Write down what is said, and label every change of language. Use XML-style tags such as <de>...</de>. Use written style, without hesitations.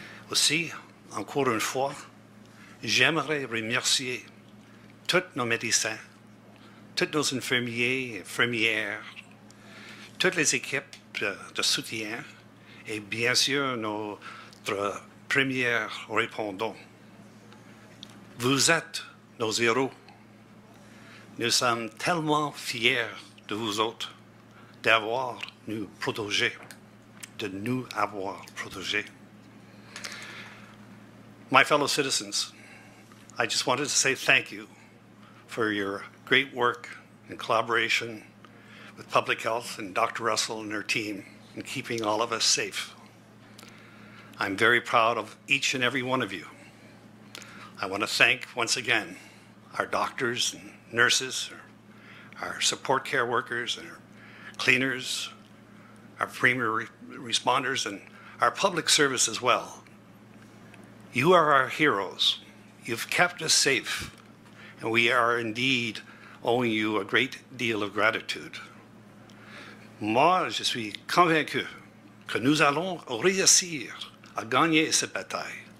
<fr>Aussi, encore une fois, j'aimerais remercier tous nos médecins, tous nos infirmiers et infirmières, toutes les équipes de soutien et bien sûr notre premier répondant. Vous êtes nos héros. Nous sommes tellement fiers de vous autres d'avoir nous protégé, de nous avoir protégé.</fr> <en>My fellow citizens, I just wanted to say thank you for your great work and collaboration with public health and Dr. Russell and her team in keeping all of us safe. I'm very proud of each and every one of you. I want to thank once again our doctors and nurses, our support care workers and our cleaners, our premier responders, and our public service as well. You are our heroes. You've kept us safe, and we are indeed owing you a great deal of gratitude.</en> <fr>Moi, je suis convaincu que nous allons réussir à gagner cette bataille.</fr>